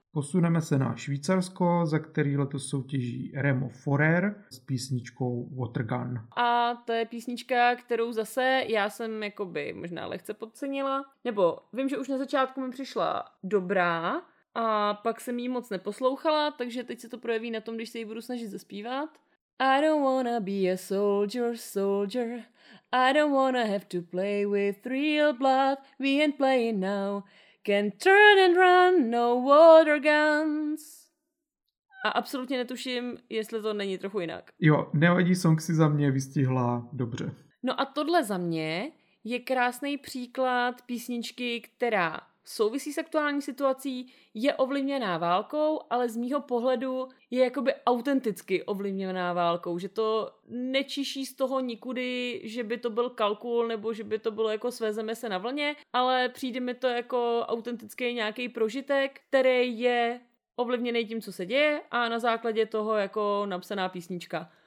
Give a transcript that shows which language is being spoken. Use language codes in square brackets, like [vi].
[cs] Posuneme se na Švýcarsko, za který letos soutěží Remo Forer s písničkou Watergun. A to je písnička, kterou zase já jsem jakoby možná lehce podcenila. Nebo vím, že už na začátku mi přišla dobrá a pak jsem jí moc neposlouchala, takže teď se to projeví na tom, když se jí budu snažit zaspívat. [en] I don't wanna be a soldier. I don't wanna have to play with real blood. We ain't playing now. Can turn and run, no water guns. [cs] A absolutně netuším, jestli to není trochu jinak. Jo, nevadí, song si za mě vystihla dobře. No a tohle za mě je krásný příklad písničky, která souvisí s aktuální situací, je ovlivněná válkou, ale z mýho pohledu je jakoby autenticky ovlivněná válkou, že to nečiší z toho nikudy, že by to byl kalkul, nebo že by to bylo jako svezeme se na vlně, ale přijde mi to jako autentický nějaký prožitek, který je ovlivněný tím, co se děje, a na základě toho jako napsaná písnička.